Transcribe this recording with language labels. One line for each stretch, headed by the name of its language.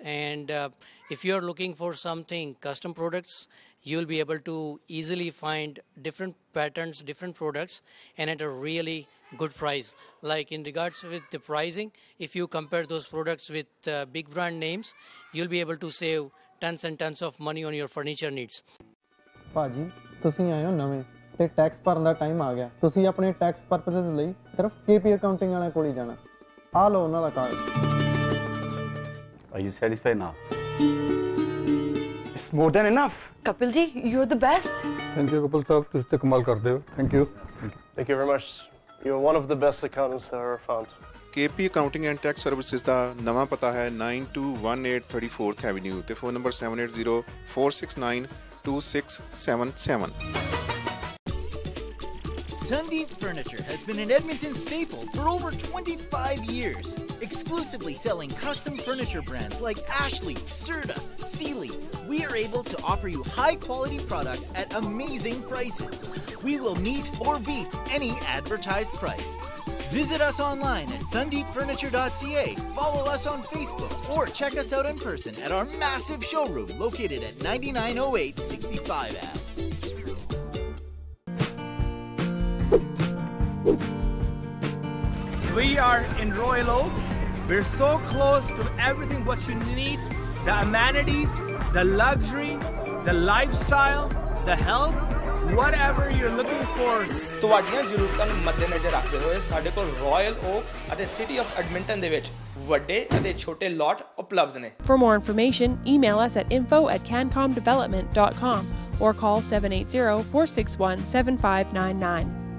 English: And if you are looking for something custom products, you will be able to easily find different patterns, different products, and at a really good price. Like in regards with the pricing, if you compare those products with big brand names, you'll be able to save tons and tons of money on your furniture needs.
Punjabi: ਭਾਜੀ ਤੁਸੀਂ ਆਏ ਹੋ ਨਵੇਂ ਤੇ tax ਭਰਨ ਦਾ time ਆ ਗਿਆ। ਤੁਸੀਂ ਆਪਣੇ ਟੈਕਸ ਪਰਪਸਸ ਲਈ ਸਿਰਫ ਕੇਪੀ ਅਕਾਊਂਟਿੰਗ ਵਾਲਿਆਂ ਕੋਲ ਹੀ ਜਾਣਾ। ਆ ਲਓ ਉਹਨਾਂ ਦਾ ਕਾਗਜ਼।
English: Are you satisfied now? It's more than enough. Kapil ji, you are the best. Thank you
Punjabi: Kapil ਸਾਹਿਬ, ਤੁਸੀਂ ਤੇ ਕਮਾਲ ਕਰਦੇ ਹੋ। Thank you.
English: Thank you very much. You are one of the best accountants I have found.
Punjabi: KP accounting and tax services ਦਾ ਨਵਾਂ ਪਤਾ ਹੈ 9218 34th avenue ਤੇ phone number 780-469 2677.
English: Sandeep Furniture has been an Edmonton staple for over 25 years, exclusively selling custom furniture brands like Ashley, Serta, Sealy. We are able to offer you high quality products at amazing prices. We will meet or beat any advertised price. Visit us online at sandeepfurniture.ca, follow us on Facebook, or check us out in person at our massive showroom located at 9908 65 Ave. We are in Royal Oak. We're so close to everything what you need, the amenities, the luxury, the lifestyle, the health.
Punjabi: ਤੁਹਾਡੀਆਂ ਜ਼ਰੂਰਤਾਂ ਨੂੰ ਮੱਦੇਨਜ਼ਰ ਰੱਖਦੇ ਹੋਏ ਸਾਡੇ ਕੋਲ royal oaks ਅਤੇ city of Edmonton ਦੇ ਵਿੱਚ ਵੱਡੇ ਅਤੇ ਛੋਟੇ ਲੋਟ ਉਪਲਬਧ ਨੇ।
English: For more information, email us at info@cancomdevelopment.com or call 780-461-7599.